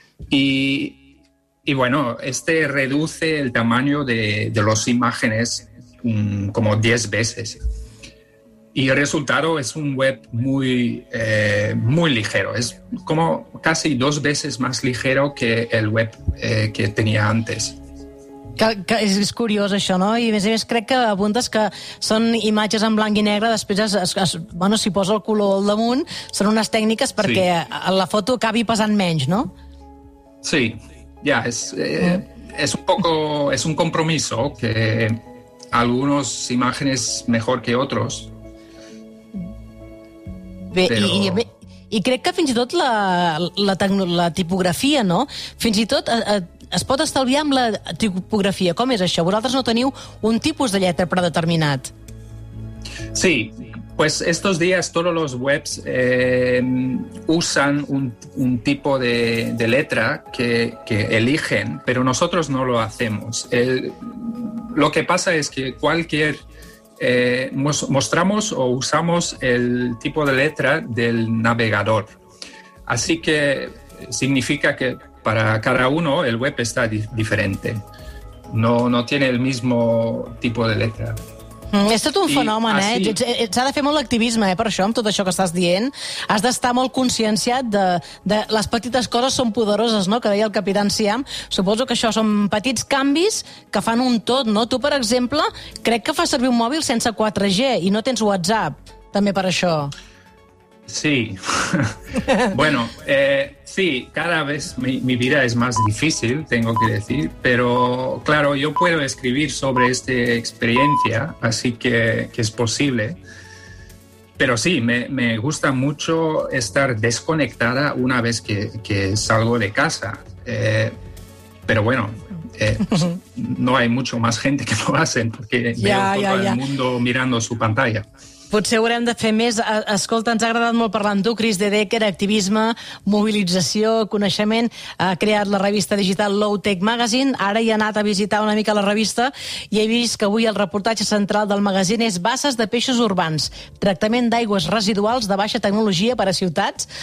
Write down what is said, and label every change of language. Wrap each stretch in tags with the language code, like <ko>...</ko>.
<es>Y bueno, este reduce el tamaño de las imágenes como 10 veces. Y el resultado es un web muy, muy ligero. Es como casi 2 veces más ligero que el web que tenía antes.</es> <ca>És curiós això, no? I a més crec que apuntes que són imatges en blanc i negre, després bueno, si posa el color al damunt, són unes tècniques perquè sí. La foto acabi pesant menys, no?</ca> <es>Sí, ja, és un poco, és un compromiso que algunos imágenes mejor que otros.</es> <ca>Bé, però... i crec que fins i tot la tipografia, no? Fins i tot es pot estalviar amb la tipografia. Com és això? Vosaltres no teniu un tipus de lletra predeterminat.</ca> <es>Sí, pues estos días todos los webs usan un tipo de letra que eligen, pero nosotros no lo hacemos. Lo que pasa es que cualquier mostramos o usamos el tipo de letra del navegador. Así que significa que para cada uno el web está diferente. No tiene el mismo tipo de letra.</es> <ca>És tot un fenomen, s'ha de fer molt activisme per això, amb tot això que estàs dient. Has d'estar molt conscienciat de les petites coses són poderoses, no? Que deia el capità Siam. Suposo que això són petits canvis que fan un tot, no? Tu, per exemple, crec que fas servir un mòbil sense 4G i no tens WhatsApp, també per això. Sí.</ca> <es>Bueno, sí, cada vez mi vida es más difícil, tengo que decir, pero claro, yo puedo escribir sobre esta experiencia, así que es posible. Pero sí, me gusta mucho estar desconectada una vez que salgo de casa. Pero bueno, no hay mucho más gente que lo hacen, porque veo todo el mundo mirando su pantalla.</es> <ca>Potser haurem de fer més. Escolta, ens ha agradat molt parlar amb tu, Chris de Decker, activisme, mobilització, coneixement. Ha creat la revista digital Low Tech Magazine. Ara hi ha anat a visitar una mica la revista i he vist que avui el reportatge central del magazine és Basses de peixos urbans, tractament d'aigües residuals de baixa tecnologia per a ciutats.</ca>